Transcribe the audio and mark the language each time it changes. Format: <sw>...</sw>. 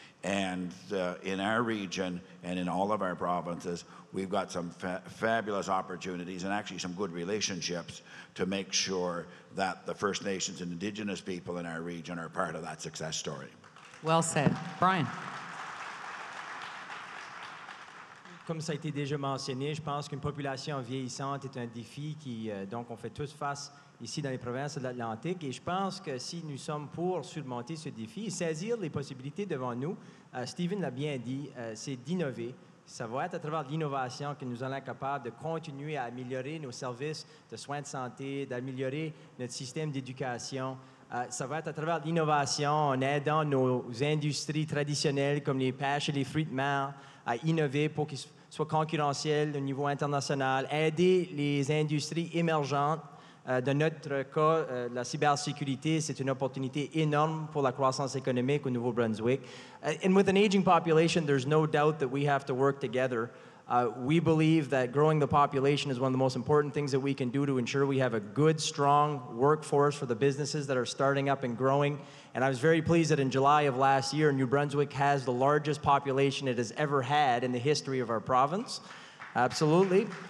<en>And in our region and in all of our provinces, we've got some fabulous opportunities and actually some good relationships to make sure that the First Nations and Indigenous people in our region are part of that success story. Well said. Brian.</en> <fr>Comme ça a été déjà mentionné, je pense qu'une population vieillissante est un défi qui, donc, on fait tous face ici dans les provinces de l'Atlantique. Et je pense que si nous sommes pour surmonter ce défi et saisir les possibilités devant nous, Stephen l'a bien dit, c'est d'innover. Ça va être à travers l'innovation que nous allons être capables de continuer à améliorer nos services de soins de santé, d'améliorer notre système d'éducation. Ça va être à travers l'innovation en aidant nos industries traditionnelles comme les pêches et les fruits de mer à innover pour qu'ils soient concurrentiels au niveau international, aider les industries émergentes. Dans notre cas, la cybersécurité, c'est une opportunité énorme pour la croissance économique au Nouveau-Brunswick.</fr> <en>And with an aging population, there's no doubt that we have to work together. We believe that growing the population is one of the most important things that we can do to ensure we have a good, strong workforce for the businesses that are starting up and growing. And I was very pleased that in July of last year, New Brunswick has the largest population it has ever had in the history of our province. Absolutely.</en>